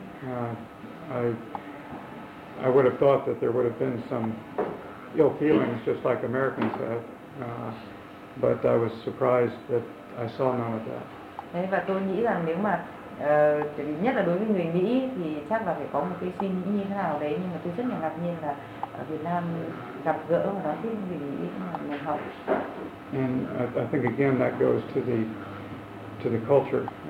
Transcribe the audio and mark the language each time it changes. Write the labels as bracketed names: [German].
[English] I would have thought that there would have been some ill feelings just like Americans have. But I was surprised that I saw none of that. [Vietnamese] Đấy, và tôi nghĩ rằng nếu mà nhất là đối với người Mỹ thì chắc là phải có một cái suy nghĩ như thế nào đấy, nhưng mà tôi rất là ngạc nhiên là ở Việt Nam gặp gỡ và nói với người Mỹ là họ. [English] And I think again that goes to the culture.